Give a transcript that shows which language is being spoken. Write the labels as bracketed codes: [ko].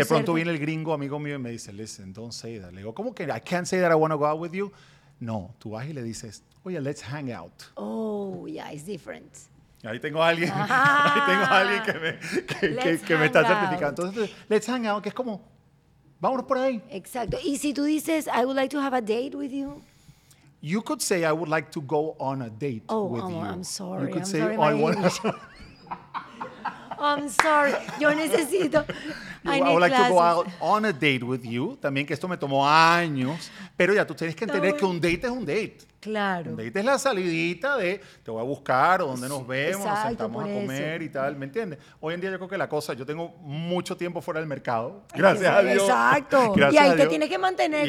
[es] Y de pronto viene el gringo amigo mío y me dice, [en] listen, don't say that. [es] Le digo, ¿cómo que [en] I can't say that I want to go out with you? [es] No, tú vas y le dices, oye, [en] let's hang out. Oh, yeah, it's different. [es] Ahí tengo a alguien, ahí tengo a alguien que me está certificando. Entonces, [en] let's hang out, [es] que es como, vámonos por ahí. Exacto. Y si tú dices, [en] I would like to have a date with you. You could say, I would like to go on a date with you. Oh, I'm sorry. You could say, I want to... I'm sorry, [es] yo necesito. [en] I would like to go out on a date with you. [es] También que esto me tomó años, pero ya tú tienes que entender que un date es un date. Claro. Un date es la salidita de te voy a buscar o dónde nos vemos, exacto, nos sentamos a comer y tal, ¿me entiendes? Hoy en día yo creo que la cosa, yo tengo mucho tiempo fuera del mercado, gracias exacto. A Dios. Exacto. Y ahí te tienes que mantener.